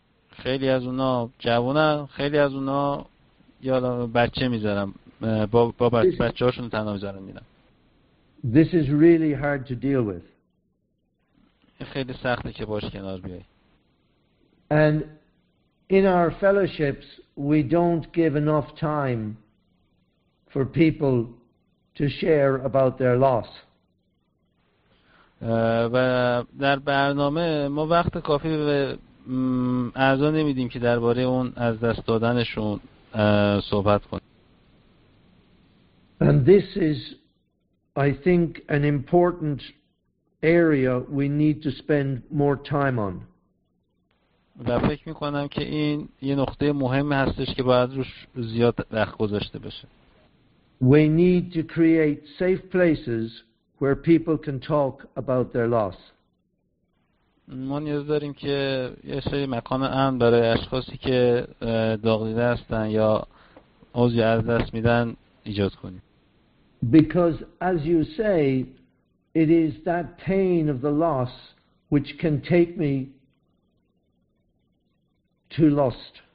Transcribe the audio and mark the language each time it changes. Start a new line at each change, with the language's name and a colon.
Persian: خیلی از اونا جوانن، خیلی از اونا یا بچه میذارن. با بچه هاشون تنها میذارن میرن.
English: This is really hard to deal with.
Persian: خیلی سخته که باش کنار بیای.
English: And in our fellowships, we don't give enough time for people to share about their loss.
Persian: و در برنامه ما وقت کافی به اعضا نمیدیم که درباره اون از دست دادنشون صحبت کنیم.
English: And this is, I think, an important area we need to spend more time on.
Persian: و فکر میکنم که این یه نقطه مهم هستش که باید روش زیاد وقت گذاشته بشه.
English: We need to create safe places where people can talk about their loss.
Persian: ما نیاز داریم که یه سری مکان امن برای اشخاصی که داغ دیده هستن یا عضوی از دست میدن ایجاد کنیم.
English: Because as you say, it is that pain of the loss which can take me to lust.